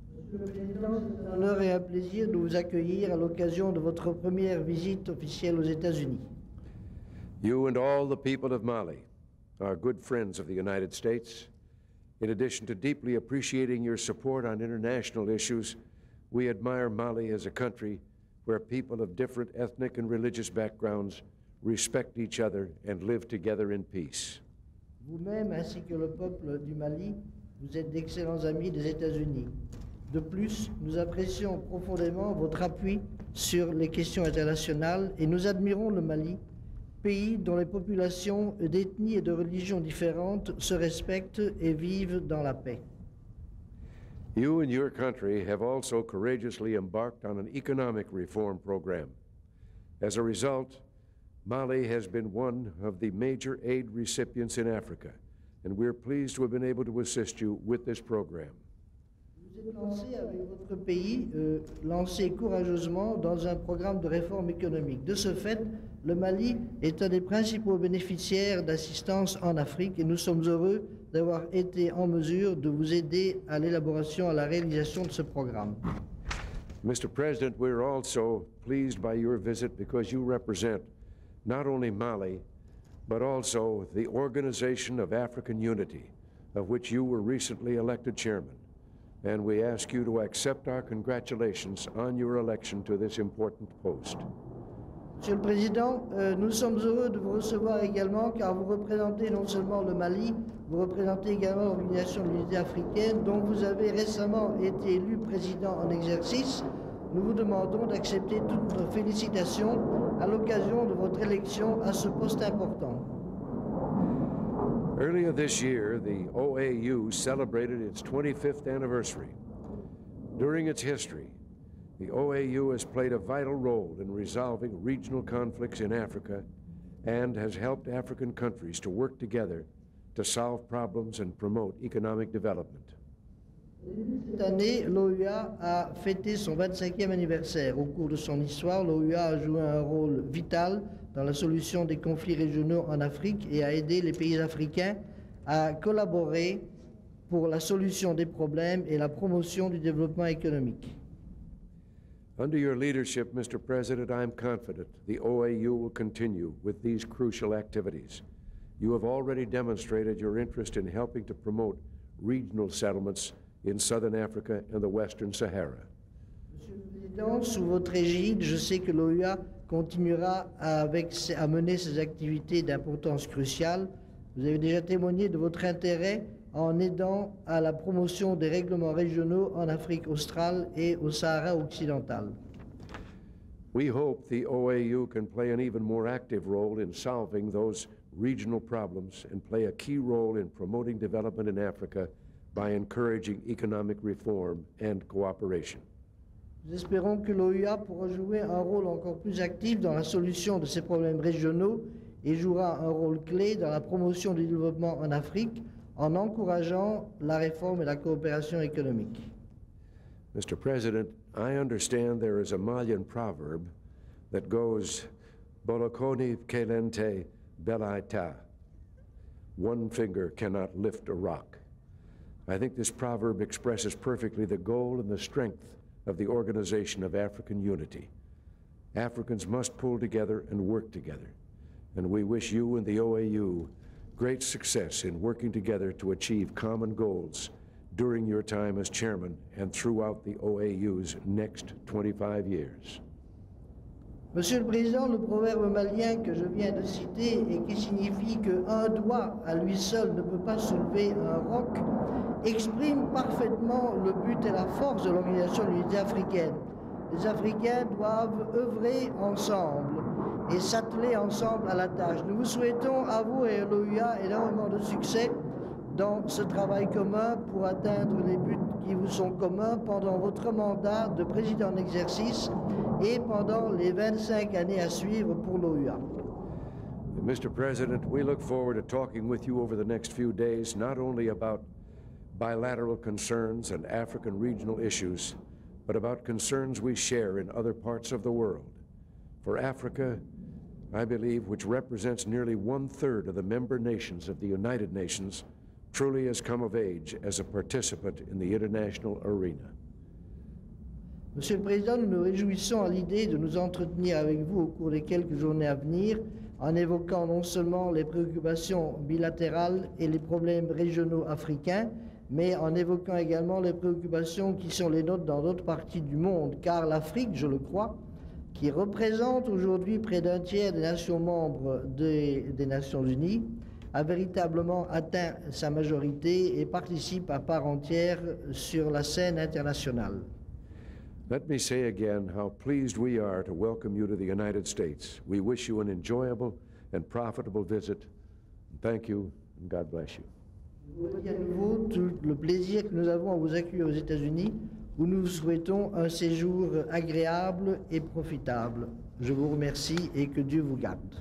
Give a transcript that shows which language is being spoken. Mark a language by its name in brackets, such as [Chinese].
[French] C'est un honneur et un plaisir de vous accueillir à l'occasion de votre première visite officielle aux États-Unis. [English] You and all the people of Mali are good friends of the United States. In addition to deeply appreciating your support on international issues, We admire Mali as a country where people of different ethnic and religious backgrounds respect each other and live together in peace. [French] Vous-même ainsi que le peuple du Mali, vous êtes d'excellents amis des États-Unis. De plus, nous apprécions profondément votre appui sur les questions internationales et nous admirons le Mali, pays dont les populations d'ethnie et de religions différentes se respectent et vivent dans la paix. [English] You and your country have also courageously embarked on an economic reform program. As a result, Mali has been one of the major aid recipients in Africa, and we're pleased to have been able to assist you with this program. [French] Vous êtes lancé avec votre pays, lancé courageusement dans un programme de réforme économique. De ce fait, le Mali est un des principaux bénéficiaires d'assistance en Afrique, et nous sommes heureux d'avoir été en mesure de vous aider à l'élaboration, à la réalisation de ce programme. [English] Mr. President, we're also pleased by your visit because you represent not only Mali, but also the Organization of African Unity, of which you were recently elected chairman. And we ask you to accept our congratulations on your election to this important post. [French] Monsieur le Président, nous sommes heureux de vous recevoir également car vous représentez non seulement le Mali, vous représentez également l'Organisation de l'Unité africaine dont vous avez récemment été élu président en exercice. Nous vous demandons d'accepter toutes nos félicitations à l'occasion de votre élection à ce poste important. [English] Earlier this year, the OAU celebrated its 25th anniversary. During its history, the OAU has played a vital role in resolving regional conflicts in Africa and has helped African countries to work together to solve problems and promote economic development. [French] Cette année, l'OUA a fêté son 25e anniversaire. Au cours de son histoire, l'OUA a joué un rôle vital dans la solution des conflits régionaux en Afrique et a aidé les pays africains à collaborer pour la solution des problèmes et la promotion du développement économique. [English] Under your leadership, Mr. President, I am confident the OAU will continue with these crucial activities. You have already demonstrated your interest in helping to promote regional settlements in southern Africa and the Western Sahara. [French] Monsieur le Président, sous votre égide, je sais que l'OUA continuera à mener ses activités d'importance cruciale. Vous avez déjà témoigné de votre intérêt en aidant à la promotion des règlements régionaux en Afrique australe et au Sahara occidental. [English] We hope the OAU can play an even more active role in solving those regional problems and play a key role in promoting development in Africa by encouraging economic reform and cooperation. [French] Nous espérons que l'OUA pourra jouer un rôle encore plus actif dans la solution de ces problèmes régionaux et jouera un rôle clé dans la promotion du développement en Afrique en encourageant la réforme et la coopération économique. [English] Mr. President, I understand there is a Malian proverb that goes, [Bambara] Bolokoni kelente belaita. [English] One finger cannot lift a rock. I think this proverb expresses perfectly the goal and the strength of the Organization of African Unity. Africans must pull together and work together. And we wish you and the OAU great success in working together to achieve common goals during your time as chairman and throughout the OAU's next 25 years. [French] Monsieur le Président, le proverbe malien que je viens de citer et qui signifie que un doigt à lui seul ne peut pas soulever un roc exprime parfaitement le but et la force de l'Organisation de l'Unité africaine. Les Africains doivent œuvrer ensemble et s'atteler ensemble à la tâche. Nous vous souhaitons à vous et à l'OUA énormément de succès dans ce travail commun pour atteindre les buts qui vous sont communs pendant votre mandat de président en exercice et pendant les 25 années à suivre pour l'OUA. [English] Mr. President, we look forward to talking with you over the next few days, not only about bilateral concerns and African regional issues, but about concerns we share in other parts of the world. For Africa, I believe, which represents nearly one-third of the member nations of the United Nations, truly has come of age as a participant in the international arena. [French] Monsieur le Président, nous nous réjouissons à l'idée de nous entretenir avec vous au cours des quelques journées à venir, en évoquant non seulement les préoccupations bilatérales et les problèmes régionaux africains, mais en évoquant également les préoccupations qui sont les nôtres dans d'autres parties du monde, car l'Afrique, je le crois, qui représente aujourd'hui près d'un tiers des nations membres des Nations Unies, a véritablement atteint sa majorité et participe à part entière sur la scène internationale. [English] Let me say again how pleased we are to welcome you to the United States. We wish you an enjoyable and profitable visit. Thank you and God bless you. [French] À nouveau tout le plaisir que nous avons à vous accueillir aux États-Unis, où nous vous souhaitons un séjour agréable et profitable. Je vous remercie et que Dieu vous garde.